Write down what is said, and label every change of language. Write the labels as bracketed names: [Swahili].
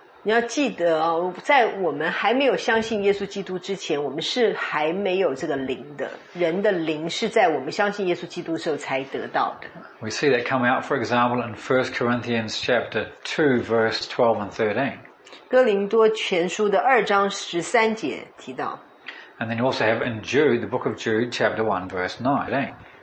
[Chinese] 你要记得哦，在我们还没有相信耶稣基督之前，我们是还没有这个灵的。人的灵是在我们相信耶稣基督的时候才得到的。 [English] We see that come out, for example, in 1 Corinthians chapter 2, verse 12 and 13. [Chinese] 哥林多前书的二章十三节提到。 [English] And then you also have in Jude, the book of Jude, chapter 1, verse 19.